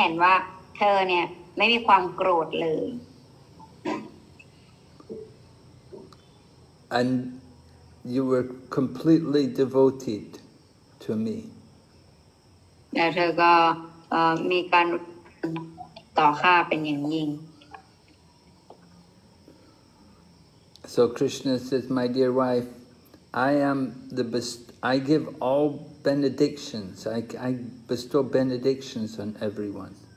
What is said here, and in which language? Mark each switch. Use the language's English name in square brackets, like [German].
[Thai] นะคะรู้สึกแปลกใจมากที่เห็นว่าเธอเนี่ยไม่มีความโกรธเลย [English] And you were completely devoted to me. [Thai] แล้วเธอก็มีการต่อข้าเป็นอย่างยิ่ง [English] So Krishna says, my dear wife, I give all benedictions. I bestow benedictions on everyone.